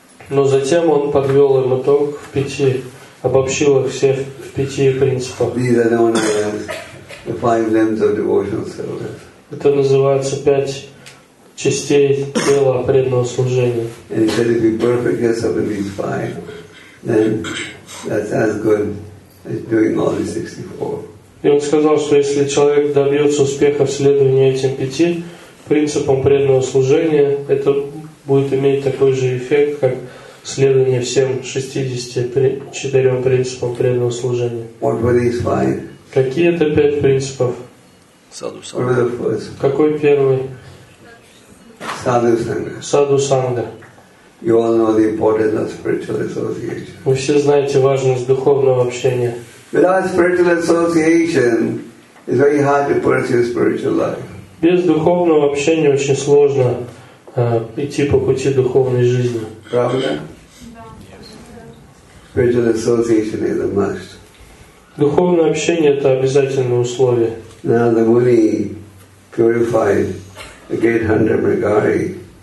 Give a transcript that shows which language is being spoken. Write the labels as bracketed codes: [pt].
[ru] Но затем он подвел им итог в пяти, обобщил их все в пяти принципах. [en] These are known as the five limbs of devotional service. [ru] Это называется пять частей тела преданного служения. [en] And he said, if you perfect yourself in these five, then that's as good as doing all the 64. [ru] И он сказал, что если человек добьется успеха в следовании этим пяти принципам преданного служения, это будет иметь такой же эффект, как следование всем 64 принципам преданного служения. [en] What were these five? [ru] Какие это пять принципов? Саду-санга. Какой первый? Саду-санга. Саду-санга. [en] You all know the importance of spiritual association. [ru] Вы все знаете важность духовного общения. [en] Without spiritual association, it's very hard to pursue spiritual life. [ru] Без духовного общения очень сложно идти по пути духовной жизни. Правда? [en] Spiritual association is a must. [ru] Духовное общение — это обязательное условие. [en] Now the Muni purified the great hundred Brigari.